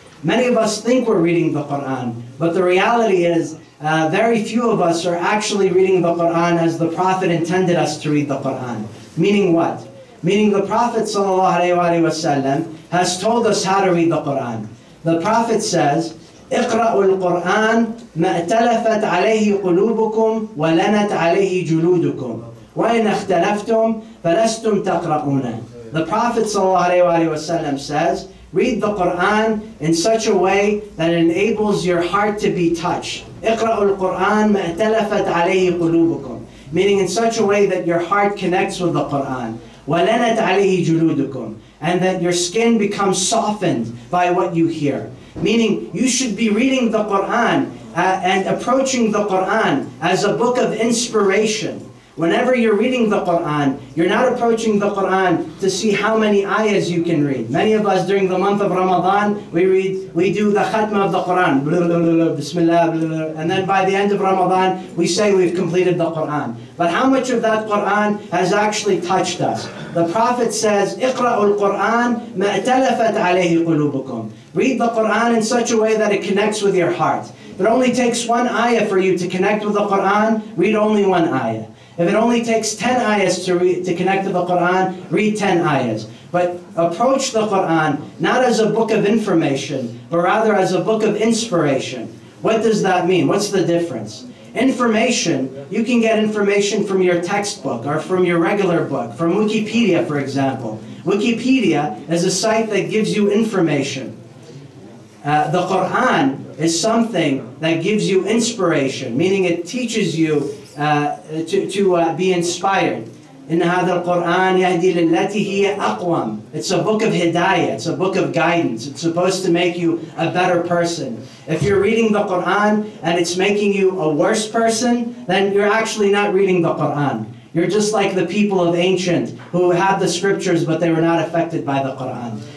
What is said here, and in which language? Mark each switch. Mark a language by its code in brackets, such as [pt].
[en] Many of us think we're reading the Qur'an, but the reality is very few of us are actually reading the Qur'an as the Prophet intended us to read the Qur'an. Meaning what? Meaning the Prophet sallallahu alaihi wa alihi wasallam has told us how to read the Qur'an. The Prophet says, [ar] اقرأوا القرآن ما اتلفت عليه قلوبكم ولنت عليه جلودكم وإن اختلفتم فلستم تقرؤونه. [en] The Prophet sallallahu alaihi wasallam says, read the Quran in such a way that it enables your heart to be touched. [ar] اقرأوا القرآن ما اتلفت عليه قلوبكم, [en] meaning in such a way that your heart connects with the Quran. [ar] ولنت عليه جلودكم, [en] and that your skin becomes softened by what you hear. Meaning, you should be reading the Qur'an and approaching the Qur'an as a book of inspiration. Whenever you're reading the Qur'an, you're not approaching the Qur'an to see how many ayahs you can read. Many of us during the month of Ramadan, we do the khatma of the Qur'an. Bismillah, and then by the end of Ramadan, we say we've completed the Qur'an. But how much of that Qur'an has actually touched us? The Prophet says, [ar] اقرأوا القرآن ما اتلفت عليه قلوبكم. [en] Read the Qur'an in such a way that it connects with your heart. If it only takes one ayah for you to connect with the Qur'an, read only one ayah. If it only takes 10 ayahs to connect to the Qur'an, read 10 ayahs. But approach the Qur'an not as a book of information, but rather as a book of inspiration. What does that mean? What's the difference? Information, you can get information from your textbook or from your regular book, from Wikipedia, for example. Wikipedia is a site that gives you information. The Qur'an is something that gives you inspiration, meaning it teaches you to be inspired. [ar] إن هذا القرآن يهدي للتي هي أقوم. [en] It's a book of hidayah, it's a book of guidance. It's supposed to make you a better person. If you're reading the Qur'an and it's making you a worse person, then you're actually not reading the Qur'an. You're just like the people of ancient who had the scriptures but they were not affected by the Qur'an.